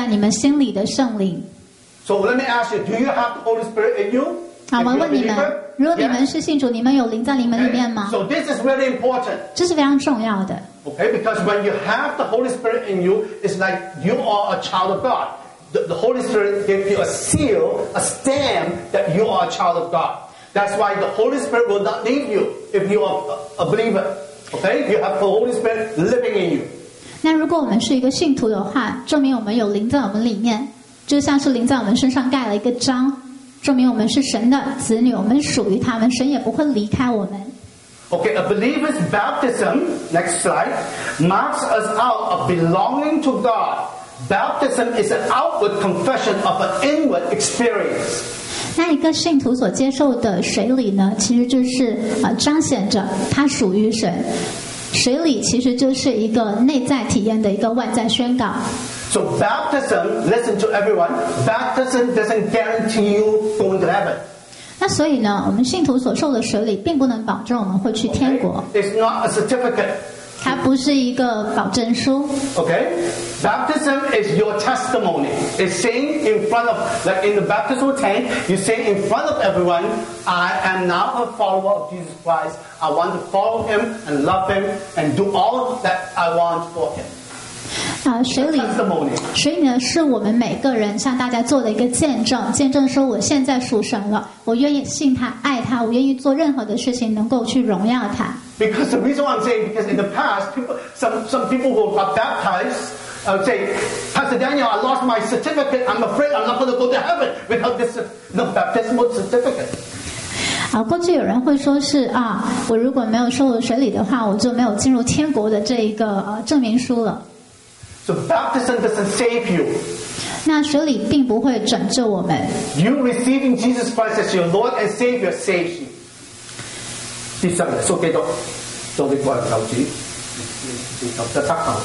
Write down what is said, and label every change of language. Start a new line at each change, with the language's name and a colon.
Chinese: 好，我们的罗马书第八章十一节说到了，复活者的灵若住在你们心里，住在你们心里的圣灵。So
English: let me ask you， do you have the Holy Spirit in you？
Chinese: 好，我问你们。如果你们是信主， 你们有灵在你们里面吗？
English: So this is really important.
Chinese: 这是非常重要的。
English: Okay, because when you have the Holy Spirit in you, it's like you are a child of God. The Holy Spirit gives you a seal, a stamp that you are a child of God. That's why the Holy Spirit will not leave you if you are a believer. Okay? You have the Holy Spirit living in you.
Chinese: 那如果我们是一个信徒的话，证明我们有灵在我们里面，就像是灵在我们身上盖了一个章，证明我们是神的子女，我们属于他们，神也不会离开我们。
English: Okay, a believer's baptism, next slide, marks us out of belonging to God. Baptism is an outward confession of an inward experience.
Chinese: 那一个信徒所接受的水礼呢，其实就是彰显着他属于神。水礼其实就是一个内在体验的一个外在宣告。
English: So baptism, listen to everyone, baptism doesn't guarantee you going to heaven.
Chinese: 那所以呢，我们信徒所受的水礼并不能保证我们会去天国。
English: Okay. It's not a certificate.
Chinese: 它不是一个保证书。
English: Okay, baptism is your testimony. It's saying in front of, like in the baptismal tank, you say in front of everyone, I am now a follower of Jesus Christ. I want to follow him and love him and do all that I want for him.
Chinese: 水礼呢，是我们每个人向大家做的一个见证，见证说我现在属神了，我愿意信他，爱他，我愿意做任何的事情能够去荣耀他。
English: Because the reason I'm saying, because in the past, some people who got baptized, I would say, Pastor Daniel, I lost my certificate. I'm afraid I'm not going to go to heaven without this baptismal certificate.
Chinese: 过去有人会说是啊，我如果没有受了水礼的话，我就没有进入天国的这一个证明书了。
English: So baptism doesn't save you.
Chinese: 那水礼并不会拯救我们。
English: You receiving Jesus Christ as your Lord and Savior saves you.
Chinese: 第三个，手机都，手机关手机，手机在打